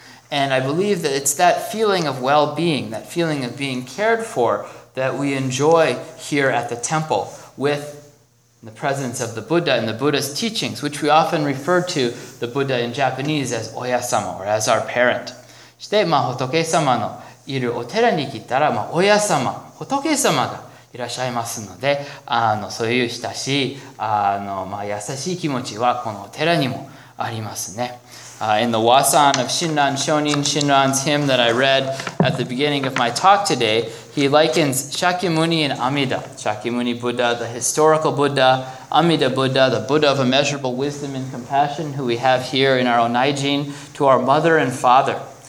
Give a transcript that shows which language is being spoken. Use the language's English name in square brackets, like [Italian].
[English] And I believe that it's that feeling of well-being, that feeling of being cared for, that we enjoy here at the temple with the presence of the Buddha and the Buddha's teachings, which we often refer to the Buddha in Japanese as Oya-sama, or as our parent. [Japanese] そして、仏様のいるお寺に来たら、親様、仏様がいらっしゃいますので、そういう親しい、優しい気持ちはこのお寺にもありますね。 [English] In the wasan of Shinran Shonin, Shinran's hymn that I read at the beginning of my talk today, he likens Shakyamuni and Amida. Shakyamuni Buddha, the historical Buddha, Amida Buddha, the Buddha of immeasurable wisdom and compassion who we have here in our Onaijin, to our mother and father.